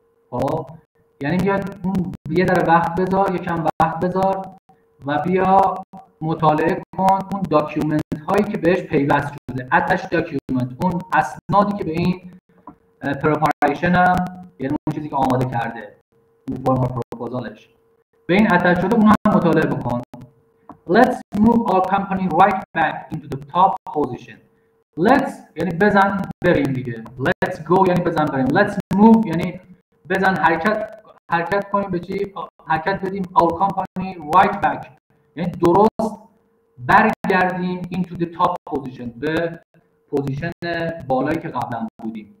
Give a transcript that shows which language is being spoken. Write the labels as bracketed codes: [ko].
[fa] خب یعنی بیا یه ذره وقت بذار، یه کم وقت بذار و بیا مطالعه کن اون داکیومنت هایی که بهش پیوست شده. Attached document، اون اسنادی که به این preparation هم، یعنی اون چیزی که آماده کرده اون فرم پروپوزالش، به این attached شده اون هم مطالعه بکن. [en] Let's move our company right back into the top position. [fa] Let's یعنی بزن بریم دیگه. Let's go یعنی بزن بریم. Let's move یعنی بزن حرکت کنیم. به چی حرکت بدیم؟ [en] Our company right back [fa] یعنی درست برگردیم [en] into the top position، [fa] به پوزیشن بالایی که قبلا بودیم.